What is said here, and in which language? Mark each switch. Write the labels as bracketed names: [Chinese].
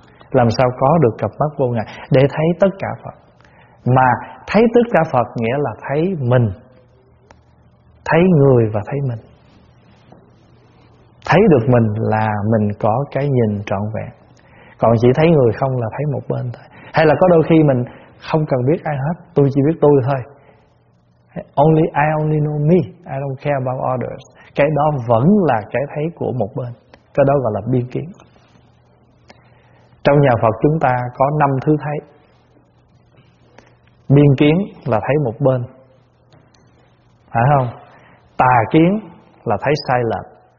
[Vietnamese] Làm sao có được cặp mắt vô ngại để thấy tất cả Phật? Mà thấy tất cả Phật nghĩa là thấy mình, thấy người và thấy mình. Thấy được mình là mình có cái nhìn trọn vẹn. Còn chỉ thấy người không là thấy một bên thôi. Hay là có đôi khi mình không cần biết ai hết, tôi chỉ biết tôi thôi. [English] I only know me, I don't care about others. [Vietnamese] Cái đó vẫn là cái thấy của một bên. Cái đó gọi là biên kiến. Trong nhà Phật chúng ta có 5 thứ thấy. Biên kiến là thấy một bên, phải không? Tà kiến là thấy sai lệch.